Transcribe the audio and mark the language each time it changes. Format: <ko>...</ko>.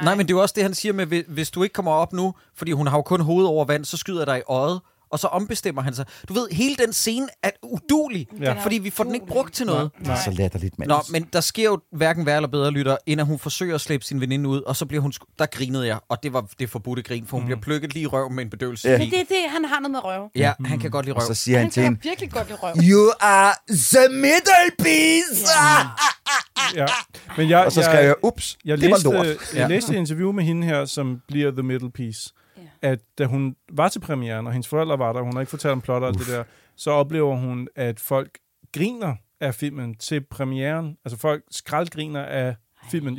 <da>Nej, men det er også det, han siger med, hvis du ikke kommer op nu, fordi hun har jo kun hovedet over vand, så skyder jeg dig i øjet. Og så ombestemmer han sig. Du ved, hele den scene er uduelig, fordi vi får den ikke brugt til noget. Nej. Så latterligt, mand. Nå, men der sker jo hverken værre eller bedre, lytter, end at hun forsøger at slæbe sin veninde ud, og så bliver hun der grinede jeg, og det var det forbudte grin, for hun bliver plukket lige i røv med en bedøvelse. Ja. Men det, han har noget med røv. Ja, han kan godt lide røv. Og så siger han til hende, virkelig godt lide røv.</da> <en>You are the middle piece!</en> <da>Ja. Ja. Men og så skrev jeg, ups, jeg det var lort. Jeg læste et interview med hende her, som bliver the middle piece. At da hun var til premieren, og hendes forældre var der, hun har ikke fortalt om plot og det der, så oplever hun, at folk griner af filmen til premieren. Altså folk skraldgriner af filmen.</da>